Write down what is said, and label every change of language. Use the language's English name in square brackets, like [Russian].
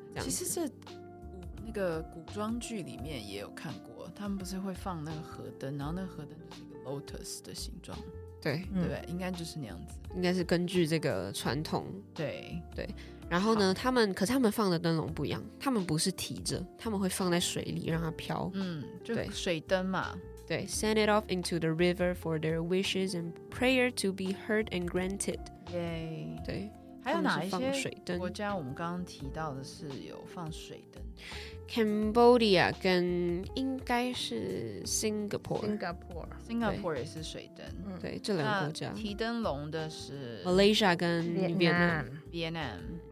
[Chinese] 其实这那个古装剧里面也有看过，他们不是会放那个河灯，然后那个河灯就是一个 lotus 的形状，对、嗯、对，应该就是那样子，应该是根据这个传统，对对。然后呢，他们可是他们放的灯笼不一样，他们不是提着，他们会放在水里让它飘。嗯，就水灯嘛。 [English] 对 ，send it off into the river for their wishes and prayer to be heard and granted。 [Chinese] 耶。对，还有哪一些水灯国家？我们刚刚提到的是有放水灯，Cambodia 跟应该是 Singapore 也是水灯。对，这两个国家提灯笼的是 Malaysia 跟 Vietnam。